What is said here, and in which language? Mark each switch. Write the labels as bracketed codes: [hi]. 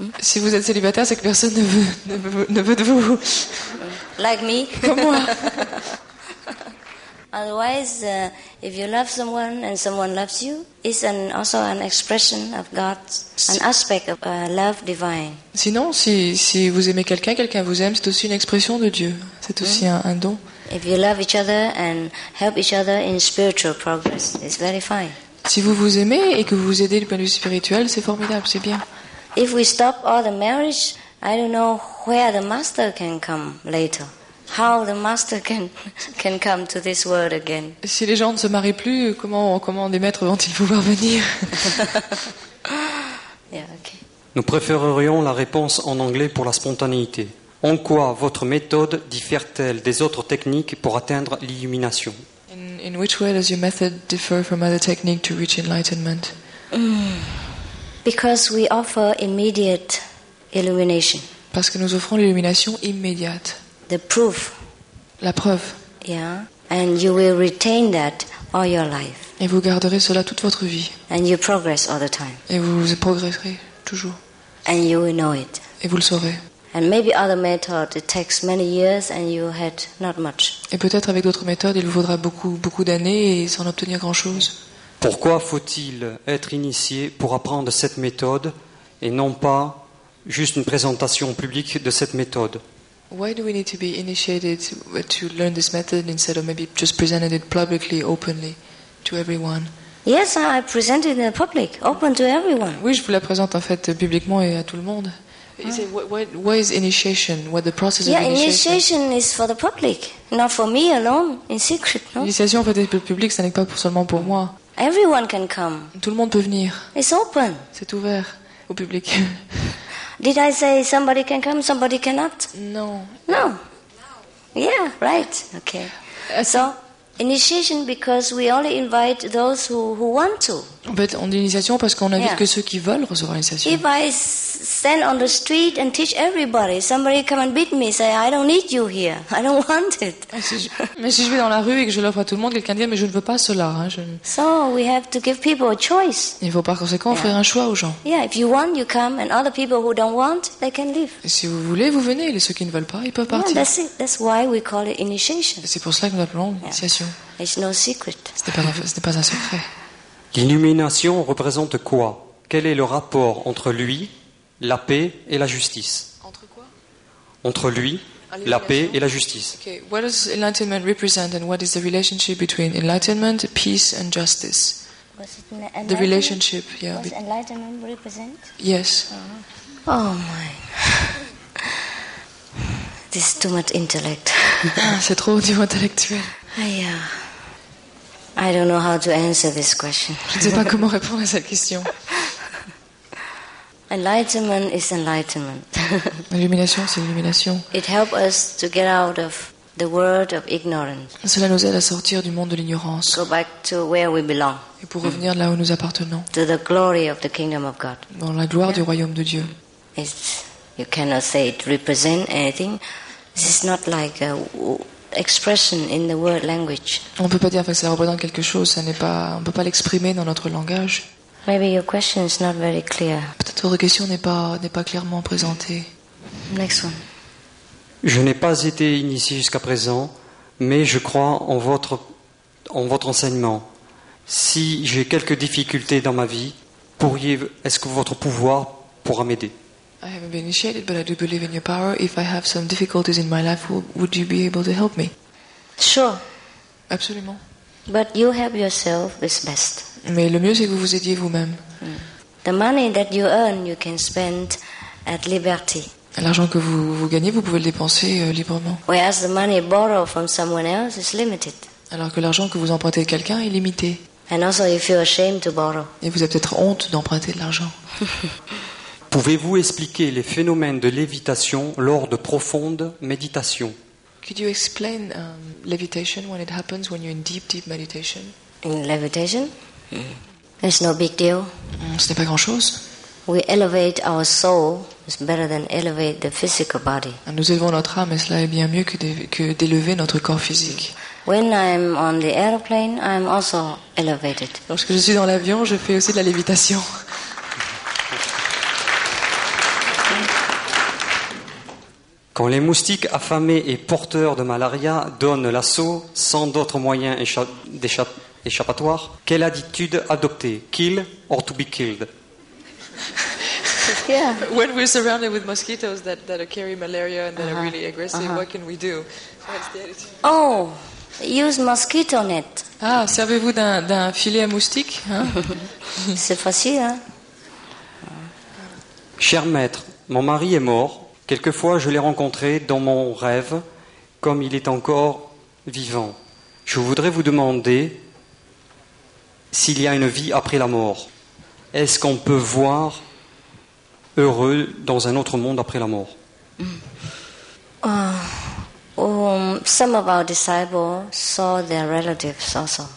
[fr] Si vous êtes célibataire, c'est que personne ne veut de vous. [en] Like me. [fr] Comme moi. [en] Otherwise, if you love someone and someone loves you, it's also an expression of God, an aspect of love divine. [fr] Sinon, si vous aimez quelqu'un vous aime, c'est aussi une expression de Dieu. C'est aussi un don. [en] If you love each other and help each other in spiritual progress, it's very fine. [fr] Si vous vous aimez et que vous vous aidez du point de vue spirituel, c'est formidable, c'est bien. [en] If we stop all the marriage, I don't know where the master can come later. How the master can come to this world again? [fr] Si les gens ne se marient plus, comment des maîtres vont-ils pouvoir venir? [en] Yeah, okay. [fr] Nous préférerions la réponse en anglais pour la spontanéité. En quoi votre méthode diffère-t-elle des autres techniques pour atteindre l'illumination? [en] In which way does your method differ from other techniques to reach enlightenment? Because we offer immediate illumination. [fr] Parce que nous offrons l'illumination immédiate. [en] The proof. [fr] La preuve. [en] Yeah. And you will retain that all your life. [fr] Et vous garderez cela toute votre vie. [en] And you progress all the time. [fr] Et vous progresserez toujours. [en] And you will know it. [fr] Et vous le saurez. [en] And maybe other methods, it takes many years and you had not much. [fr] Et peut-être avec d'autres méthodes, il vous faudra beaucoup beaucoup d'années et sans obtenir grand chose. Pourquoi faut-il être initié pour apprendre cette méthode et non pas juste une présentation publique de cette méthode? [en] Why do we need to be initiated to learn this method instead of maybe just presenting it publicly, openly to everyone? Yes, I present it in the public, open to everyone. [fr] Oui, je vous la présente en fait publiquement et à tout le monde. [en] Is it, what is initiation? What the process of initiation? Yeah, initiation is for the public, not for me alone, in secret. No? [fr] Initiation en fait est publique, ça n'est pas seulement pour moi. [en] Everyone can come. [fr] Tout le monde peut venir. [en] It's open. [fr] C'est ouvert au public. [en] Did I say somebody can come, somebody cannot? No. No. Yeah, right. Okay. So initiation because we only invite those who want to. [fr] En fait, on dit initiation parce qu'on invite que ceux qui veulent recevoir l'initiation. [en] If I stand on the street and teach everybody, somebody come and beat me, say I don't need you here, I don't want it. [fr] Mais si je vais dans la rue et que je l'offre à tout le monde, quelqu'un dit mais je ne veux pas cela. Hein, je... [en] So we have to give people a choice. [fr] Il faut par conséquent offrir un choix aux gens. [en] Yeah, if you want, you come, and other people who don't want, they can leave. [fr] Et si vous voulez, vous venez. Et ceux qui ne veulent pas, ils peuvent partir. [en] Yeah, that's it. That's why we call it initiation. [fr] C'est pour cela que nous appelons l'initiation. [en] It's no secret. [fr] Ce n'est pas un secret. L'illumination représente quoi? Quel est le rapport entre lui, la paix et la justice? Entre quoi? Entre lui, la paix et la justice. [en] Okay. What does enlightenment represent and what is the relationship between enlightenment, peace and justice? Was it enlightenment? The relationship, yeah. Was enlightenment represent? Yes. Oh my. This is too much intellect. [fr] C'est trop au niveau intellectuel. [en] Yeah. I don't know how to answer this question. [fr] Je ne sais pas comment répondre à cette question. [en] Enlightenment is enlightenment. [fr] L'illumination, c'est l'illumination. [en] It helps us to get out of the world of ignorance. [fr] Cela nous aide à sortir du monde de l'ignorance. [en] Go back to where we belong. [fr] Et pour revenir là où nous appartenons. [en] To the glory of the kingdom of God. [fr] Dans la gloire du royaume de Dieu. [en] You cannot say it represents anything. This is not like a expression in the word language. [fr] On ne peut pas dire que ça représente quelque chose, ça n'est pas, on ne peut pas l'exprimer dans notre langage. [en] Maybe your question is not very clear. [fr] Peut-être votre question n'est pas clairement présentée. [en] Next one. [fr] Je n'ai pas été initié jusqu'à présent, mais je crois en votre enseignement. Si j'ai quelques difficultés dans ma vie, est-ce que votre pouvoir pourra m'aider? [en] I haven't been initiated, but I do believe in your power. If I have some difficulties in my life, would you be able to help me? Sure. [fr] Absolument. [en] But you help yourself is best. [fr] Mais le mieux, c'est que vous vous aidiez vous-même. [en] The money that you earn, you can spend at liberty. [fr] L'argent que vous gagnez, vous pouvez le dépenser librement. [en] Whereas the money borrowed from someone else is limited. [fr] Alors que l'argent que vous empruntez de quelqu'un est limité. [en] And also, you feel ashamed to borrow. [fr] Et vous avez peut-être honte d'emprunter de l'argent. Pouvez-vous expliquer les phénomènes de lévitation lors de profondes méditations? [en] Could you explain levitation when it happens when you're in deep, deep meditation? In levitation? It's no big deal. [fr] Ce n'est pas grand-chose. [en] We elevate our soul. It's better than elevate the physical body. [fr] Nous élevons notre âme et cela est bien mieux que d'élever notre corps physique. [en] When I'm on the airplane, I'm also elevated. [fr] Lorsque je suis dans l'avion, je fais aussi de la lévitation. Quand les moustiques affamés et porteurs de malaria donnent l'assaut sans d'autres moyens échappatoires, quelle attitude adopter? [en] Kill or to be killed? Yeah. When we're surrounded with mosquitoes that are carrying malaria and that are really aggressive, what can we do? Oh, use mosquito net. [fr] Ah, servez-vous d'un filet à moustiques, hein? C'est facile, hein? Cher maître, mon mari est mort. Quelquefois, je l'ai rencontré dans mon rêve, comme il est encore vivant. Je voudrais vous demander s'il y a une vie après la mort. Est-ce qu'on peut voir heureux dans un autre monde après la mort? [en] Some of our disciples saw their relatives also.